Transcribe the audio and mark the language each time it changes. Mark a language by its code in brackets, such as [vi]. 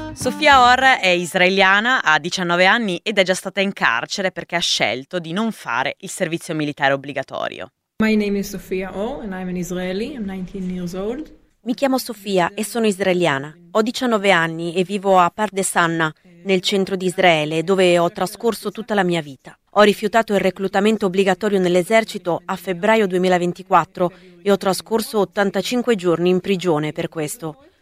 [it] Julia Orr è israeliana, ha 19 anni ed è già stata in carcere perché ha scelto di non fare il servizio militare obbligatorio. [en] My name is Sophia Orr and I'm an Israeli. I'm 19 years old. [it] Mi chiamo Sofia e sono israeliana. Ho 19 anni e vivo a Pardes Hanna, nel centro di Israele, dove ho trascorso tutta la mia vita. Ho rifiutato il reclutamento obbligatorio nell'esercito a febbraio 2024 e ho trascorso 85 giorni in prigione per questo.